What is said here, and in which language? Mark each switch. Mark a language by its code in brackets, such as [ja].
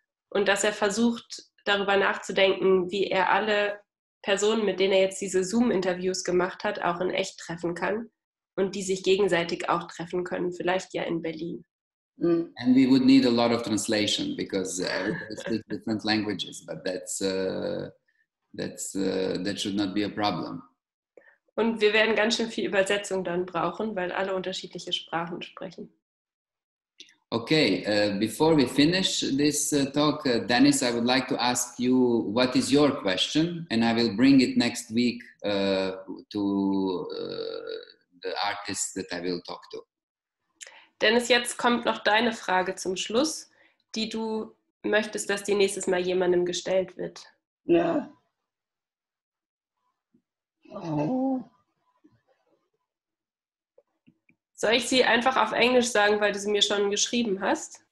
[de] Und dass er versucht, darüber nachzudenken, wie er alle Personen, mit denen er jetzt diese Zoom-Interviews gemacht hat, auch in echt treffen kann. Und die sich gegenseitig auch treffen können, vielleicht ja in Berlin. [en] And we would need a lot of translation, because everybody speaks different languages, but that should not be a problem. [de] Und wir werden ganz schön viel Übersetzung dann brauchen, weil alle unterschiedliche Sprachen sprechen. [en] Okay, before we finish this talk, Dennis, I would like to ask you, what is your question? And I will bring it next week the artist that I will talk to. [de] Dennis, jetzt kommt noch deine Frage zum Schluss, die du möchtest, dass die nächstes Mal jemandem gestellt wird. Ja. Oh. Soll ich sie einfach auf Englisch sagen, weil du sie mir schon geschrieben hast?